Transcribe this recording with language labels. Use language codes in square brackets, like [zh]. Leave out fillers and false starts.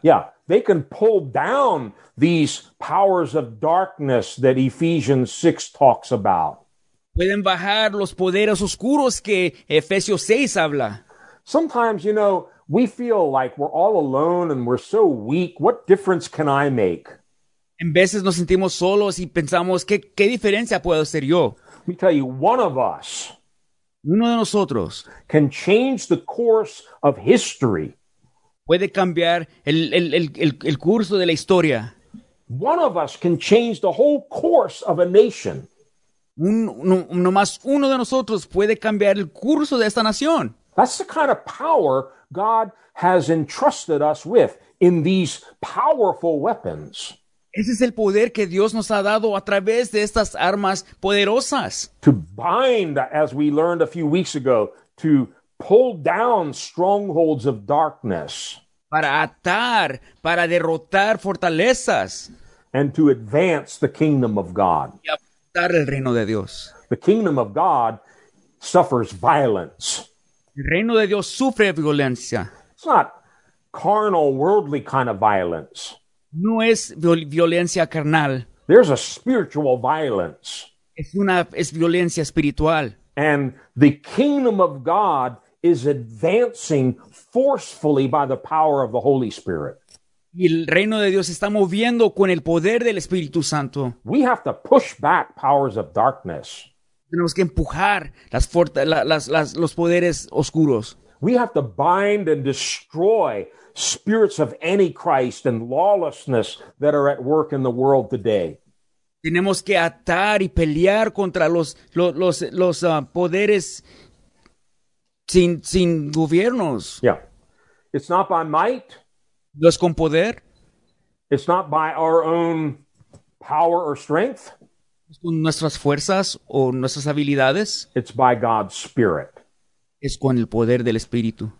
[en] Yeah, they can pull down these powers of darkness that Ephesians 6 talks about. [es] Pueden bajar los poderes oscuros que Efesios 6 habla. [en] Sometimes, you know, we feel like we're all alone and we're so weak. What difference can I make? [es] En veces nos sentimos solos y pensamos, ¿qué diferencia puedo hacer yo? [en] Let me tell you, one of us, [es] uno de nosotros, [en] can change the course of history. [es] Puede cambiar el curso de la historia. [en] One of us can change the whole course of a nation. [es] Uno de nosotros puede cambiar el curso de esta nación. [en] That's the kind of power God has entrusted us with in these powerful weapons. [es] Ese es el poder que Dios nos ha dado a través de estas armas poderosas. [en] To bind, as we learned a few weeks ago, to pull down strongholds of darkness. [es] Para atar, para derrotar fortalezas. [en] And to advance the kingdom of God. [es] Y avanzar el reino de Dios. [en] The kingdom of God suffers violence. [es] El reino de Dios sufre violencia. [en] It's not carnal, worldly kind of violence. [es] No es violencia carnal. [en] There's a spiritual violence. [es] Es violencia espiritual. [en] And the kingdom of God is advancing forcefully by the power of the Holy Spirit. [es] Y el reino de Dios está moviendo con el poder del Espíritu Santo. [en] We have to push back powers of darkness. [es] Tenemos que empujar los poderes oscuros. [en] We have to bind and destroy spirits of antichrist and lawlessness that are at work in the world today. [es] Tenemos que atar y pelear contra los poderes sin gobiernos. [en] Yeah. It's not by might. [es] No es con poder. [en] It's not by our own power or strength. [es] Es con nuestras fuerzas o nuestras habilidades. [en] It's by God's Spirit. [es] Es con el poder del Espíritu.